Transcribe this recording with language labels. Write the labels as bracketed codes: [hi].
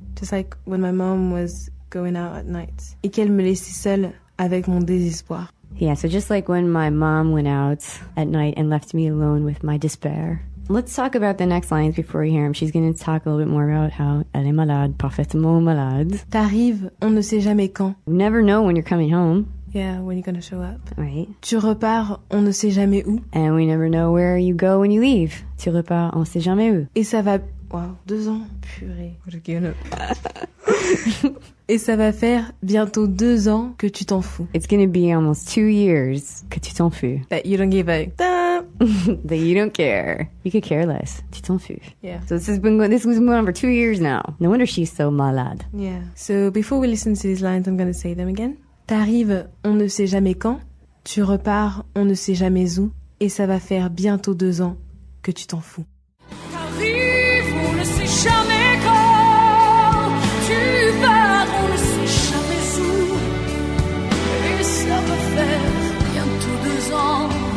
[en] Just like when my mom was going out at night. [fr] Et qu'elle me laissait seule avec mon désespoir. [en] Yeah, so just like when my mom went out at night and left me alone with my despair. Let's talk about the next lines before we hear them. She's going to talk a little bit more about how [fr] elle est malade, parfaitement malade. T'arrives, on ne sait jamais quand. [en] You never know when you're coming home. Yeah, when you're going to show up. Right. [fr] Tu repars, on ne sait jamais où. [en] And we never know where you go when you leave. [fr] Tu repars, on ne sait jamais où. Et ça va... Wow, 2 ans. Purée. Je vais gonna... Et ça va faire bientôt 2 ans que tu t'en fous. [en] It's going to be almost 2 years [fr] que tu t'en fous. [en] That you don't give a... that you don't care. You could care less. [fr] Tu t'en fous. [en] Yeah. So this has been going, this was going on for 2 years now. No wonder she's so malade. Yeah. So before we listen to these lines, I'm going to say them again. [fr] T'arrives, on ne sait jamais quand. Tu repars, on ne sait jamais où. Et ça va faire bientôt 2 ans que tu t'en fous. T'arrives, on ne sait jamais quand. Tu pars, on ne sait jamais où. Et ça va faire bientôt 2 ans.